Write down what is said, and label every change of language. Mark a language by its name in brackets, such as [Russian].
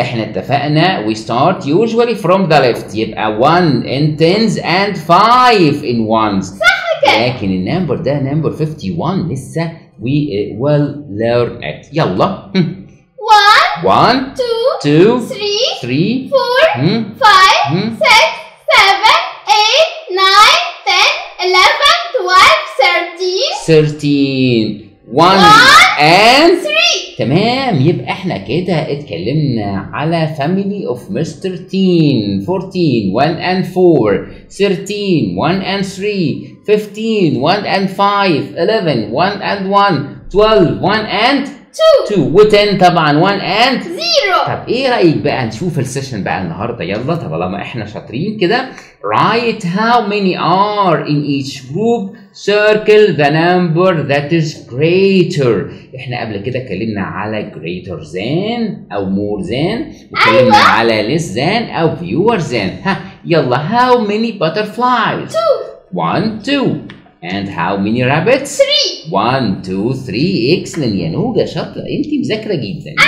[Arabic] احنا اتفقنا [English] we start usually from the left. يبقى 1 and 10s and 5 in 1s. [Arabic] صح كده. لكن النمبر ده نمبر 51 لسه [English] we will learn it. [Arabic] يلا. [English] 1, 2, 3, 4, 5, 6, 7, 8, 9, 10, 11, 12, 13, 13, 1 and 3. [Arabic] تمام. يبقى احنا كده اتكلمنا على family of Mr. [English] Teen 14 1 and 4 13 1 and 3 15 1 and 5 11 1 and 1 12 1 and 2 و 10 طبعا 1 and 0. [Arabic] طب ايه رايك بقى نشوف السيشن بقى النهارده؟ يلا طب لما احنا شاطرين كده [English] write how many are in each group, circle the number that is greater. [Arabic] احنا قبل كده اتكلمنا على greater than او more than, واتكلمنا [English] على less than او fewer than. ها يلا, how many butterflies? 2 1 2 And how many rabbits? 3 1 2 3 Excellent [Arabic] يا نوجة, شاطرة انت, مذاكرة جدا.